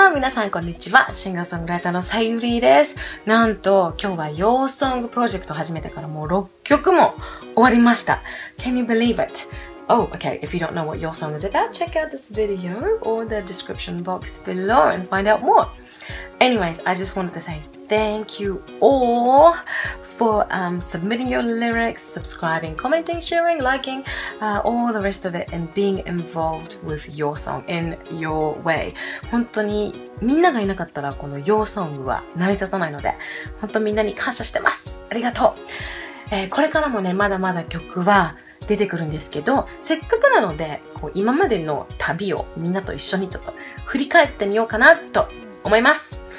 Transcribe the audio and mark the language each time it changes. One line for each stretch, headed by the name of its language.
Japanese: さんこんにちは、シンガーソングライターのさゆりです。なんと今日はヨーソングプロジェクト始めてからもう6曲も終わりました。
English: Can you believe it? Oh, okay, if you don't know what your song is about, check out this video or the description box below and find out more. Anyways, I just wanted to say thank you all for submitting your lyrics, subscribing, commenting, sharing, liking, all the rest of it, and being involved with your song in your way.
Japanese: 本当にみんながいなかったらこの Your Song は成り立たないので、本当みんなに感謝してます。ありがとう。これからもね、まだまだ曲は出てくるんですけど、せっかくなのでこう今までの旅をみんなと一緒にちょっと振り返ってみようかなと思います。